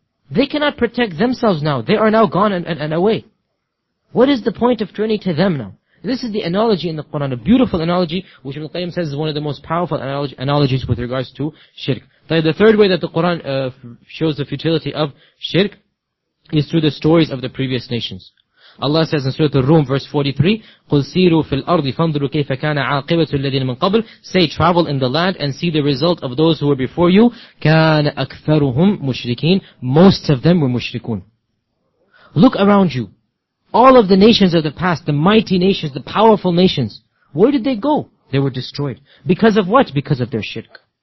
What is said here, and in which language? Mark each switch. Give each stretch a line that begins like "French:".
English: They cannot protect themselves now. They are now gone and away. What is the point of turning to them now? This is the analogy in the Quran, a beautiful analogy, which Ibn Qayyim says is one of the most powerful analogies with regards to shirk. The third way that the Quran shows the futility of shirk is through the stories of the previous nations. Allah says in Surah Al-Rum, verse 43,
Arabic: قُلْ سِيرُوا فِي الْأَرْضِ فَانْظُرُوا كَيْفَ كَانَ عَاقِبَةُ الَّذِينَ مِنْ قَبْلُ.
English: Say, travel in the land and see the result of those who were before you.
Arabic: كَانَ أَكْثَرُهُمْ مُشْرِكِينَ.
English: Most of them were mushrikun. Look around you. All of the nations of the past, the mighty nations, the powerful nations, where did they go? They were destroyed. Because of what? Because of their shirk.